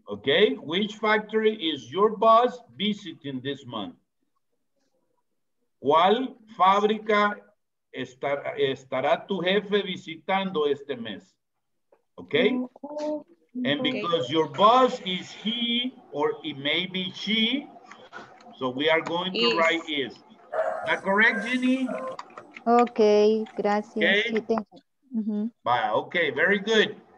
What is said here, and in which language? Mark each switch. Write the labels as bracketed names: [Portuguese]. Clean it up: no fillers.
[English] Okay, which factory is your boss visiting this month? [Spanish] ¿Cuál fábrica estará tu jefe visitando este mes? [English] Okay. And because your boss is he or it may be she, so we are going to write is. Is that correct, Ginny? [Spanish] Okay, gracias. [English] Okay. Mm-hmm. Bye. Okay, very good.